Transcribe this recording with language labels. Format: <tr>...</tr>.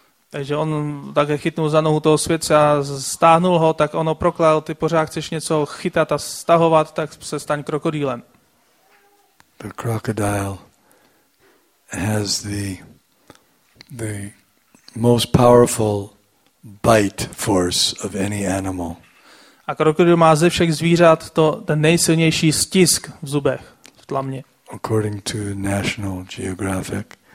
<cs>Takže on také chytnul za nohu toho světce a stáhnul ho, tak ono proklal, ty pořád chceš něco chytat a stahovat, tak se staň krokodýlem.</cs> <en>The crocodile has the most powerful bite force of any animal.</en> <cs>A krokodýl má ze všech zvířat to ten nejsilnější stisk v zubech, v tlamě.</cs> <en>According to National Geographic.</en>